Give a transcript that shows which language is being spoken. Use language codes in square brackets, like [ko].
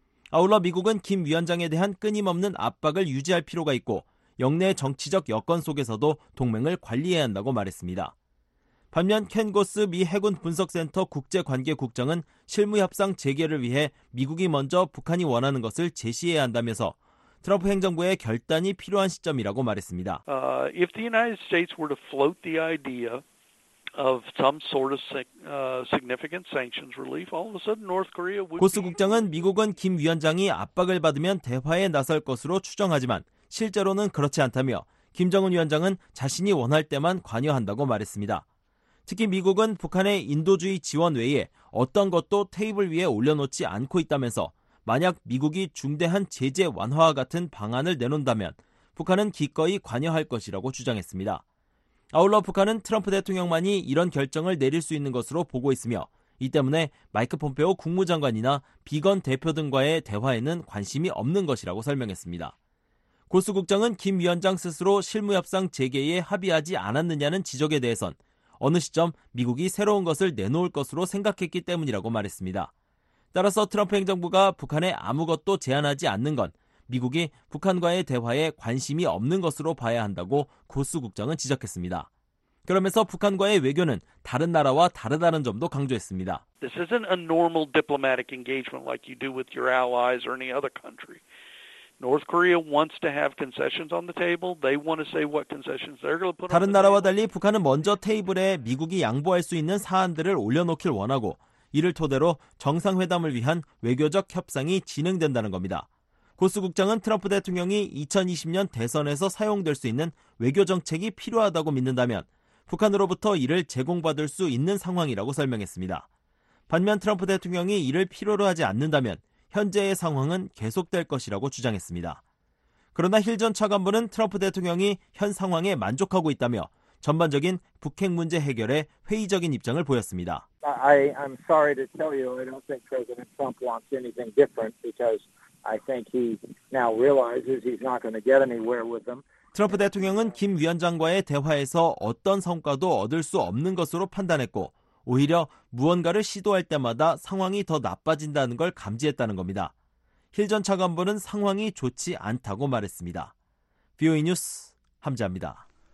[ko] 아울러 미국은 김 위원장에 대한 끊임없는 압박을 유지할 필요가 있고 영내 정치적 여건 속에서도 동맹을 관리해야 한다고 말했습니다. 반면 켄 고스 미 해군 분석센터 국제관계국장은 실무협상 재개를 위해 미국이 먼저 북한이 원하는 것을 제시해야 한다면서 트럼프 행정부의 결단이 필요한 시점이라고 말했습니다. [en] If the United States were to float the idea of some sort of significant sanctions relief, all of a sudden North Korea would. [ko] 고스 국장은 미국은 김 위원장이 압박을 받으면 대화에 나설 것으로 추정하지만 실제로는 그렇지 않다며 김정은 위원장은 자신이 원할 때만 관여한다고 말했습니다. 특히 미국은 북한의 인도주의 지원 외에 어떤 것도 테이블 위에 올려놓지 않고 있다면서 만약 미국이 중대한 제재 완화와 같은 방안을 내놓는다면 북한은 기꺼이 관여할 것이라고 주장했습니다. 아울러 북한은 트럼프 대통령만이 이런 결정을 내릴 수 있는 것으로 보고 있으며 이 때문에 마이크 폼페오 국무장관이나 비건 대표 등과의 대화에는 관심이 없는 것이라고 설명했습니다. 고스 국장은 김 위원장 스스로 실무협상 재개에 합의하지 않았느냐는 지적에 대해선 어느 시점 미국이 새로운 것을 내놓을 것으로 생각했기 때문이라고 말했습니다. 따라서 트럼프 행정부가 북한에 아무것도 제안하지 않는 건 미국이 북한과의 대화에 관심이 없는 것으로 봐야 한다고 고스 국장은 지적했습니다. 그러면서 북한과의 외교는 다른 나라와 다르다는 점도 강조했습니다. [en] This isn't a normal diplomatic engagement like you do with your allies or any other country. North Korea wants to have concessions on the table. They want to say what concessions they're going to put on the table. [ko] 다른 나라와 달리 북한은 먼저 테이블에 미국이 양보할 수 있는 사안들을 올려놓길 원하고 이를 토대로 정상회담을 위한 외교적 협상이 진행된다는 겁니다. 고스 국장은 트럼프 대통령이 2020년 대선에서 사용될 수 있는 외교 정책이 필요하다고 믿는다면 북한으로부터 이를 제공받을 수 있는 상황이라고 설명했습니다. 반면 트럼프 대통령이 이를 필요로 하지 않는다면 현재의 상황은 계속될 것이라고 주장했습니다. 그러나 힐 전 차관보는 트럼프 대통령이 현 상황에 만족하고 있다며 전반적인 북핵 문제 해결에 회의적인 입장을 보였습니다. [en] I'm sorry to tell you, I don't think President Trump wants anything different because I think he now realizes he's not going to get anywhere with them. [ko] 트럼프 대통령은 김 위원장과의 대화에서 어떤 성과도 얻을 수 없는 것으로 판단했고 오히려 무언가를 시도할 때마다 상황이 더 나빠진다는 걸 감지했다는 겁니다. 힐 전 차관보는 상황이 좋지 않다고 말했습니다. VOA 뉴스 함재합니다.